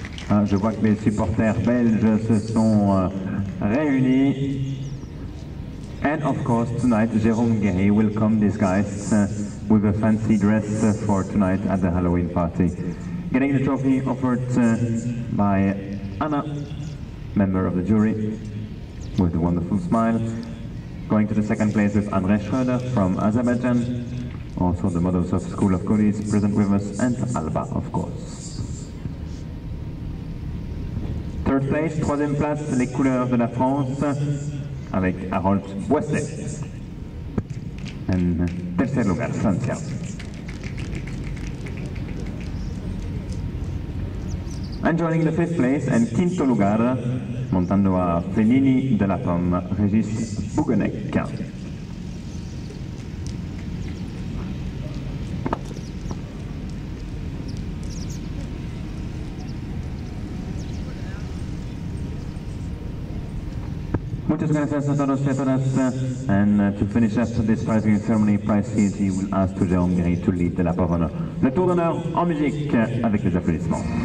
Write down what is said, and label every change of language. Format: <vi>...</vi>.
<fr>Ah, je vois que les supporters belges se sont réunis.</fr> <en>And of course, tonight, Jérôme Guéry welcome these guys with a fancy dress for tonight at the Halloween party. Getting the trophy offered by Anna, member of the jury, with a wonderful smile. Going to the second place with André Schröder from Azerbaijan. Also the models of School of Cody is present with us, and Alba, of course. Third place,</en> <fr>troisième place, les couleurs de la France, avec Harold Boisset.</fr> <es>And tercer lugar, Francia.</es> <en>And joining the fifth place, and</en> <es>quinto lugar, montando a</es> <en>Fellini de la Pomme, Régis Bouguenec.</en> <es>Muchas gracias a todos y a todas.</es> <en>And to finish up this prize giving ceremony, prize CLG will ask to Jérôme Guéry to lead the lap of honor.</en> <fr>Le tour d'honneur en musique avec les applaudissements.</fr>